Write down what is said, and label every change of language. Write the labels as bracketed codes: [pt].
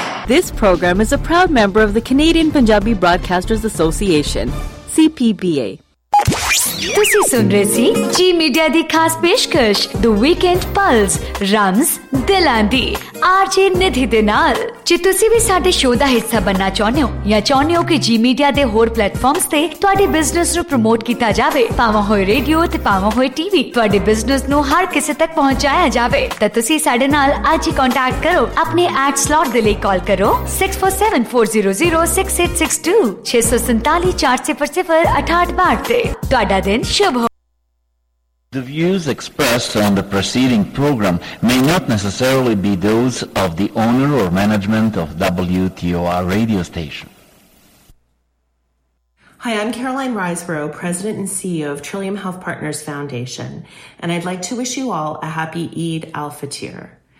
[en] This program is a proud member of the Canadian Punjabi Broadcasters Association, CPBA. [pa] ਤੁਸੀਂ ਸੁਣ ਰਹੇ ਸੀ ਜੀ media ਦੀ ਖਾਸ ਪੇਸ਼ਕਸ਼ ਦ ਵੀਕਐਂਡ ਪਲਸ ਰਮਜ਼ ਦਿਲਾਂ ਦੀ ਆਰਜੇ ਨਿਧੀ ਦੇ ਨਾਲ। ਜੇ ਤੁਸੀਂ ਵੀ ਸਾਡੇ ਸ਼ੋਅ ਦਾ ਹਿੱਸਾ ਬਣਨਾ ਚਾਹੁੰਦੇ ਹੋ ਜਾਂ ਚਾਹੁੰਦੇ ਹੋ ਕਿ ਜੀ ਮੀਡੀਆ ਦੇ ਹੋਰ ਪਲੇਟਫਾਰਮਸ ਤੇ ਤੁਹਾਡੇ ਬਿਜ਼ਨਸ ਨੂੰ ਪ੍ਰਮੋਟ ਕੀਤਾ ਜਾਵੇ, ਭਾਵੇਂ ਹੋਏ ਰੇਡੀਓ ਤੇ ਭਾਵੇਂ ਹੋਏ ਟੀਵੀ, ਤੁਹਾਡੇ ਬਿਜ਼ਨਸ ਨੂੰ ਹਰ ਕਿਸੇ ਤੱਕ ਪਹੁੰਚਾਇਆ ਜਾਵੇ, ਤਾਂ ਤੁਸੀਂ ਸਾਡੇ ਨਾਲ ਅੱਜ ਹੀ ਕੰਟੈਕਟ ਕਰੋ। ਆਪਣੇ ਐਡ ਸਲੋਟ ਦੇ ਲਈ ਕਾਲ ਕਰੋ 6474006862 6474006862 ਤੇ। ਤੁਹਾਡਾ ਦਿਨ ਸ਼ੁਭ ਹੋ। [en] The views expressed on the preceding program may not necessarily be those of the owner or management of WTOR radio station. Hi, I'm Caroline Riseborough, President and CEO of Trillium Health Partners Foundation, and I'd like to wish you all a happy Eid al-Fitr.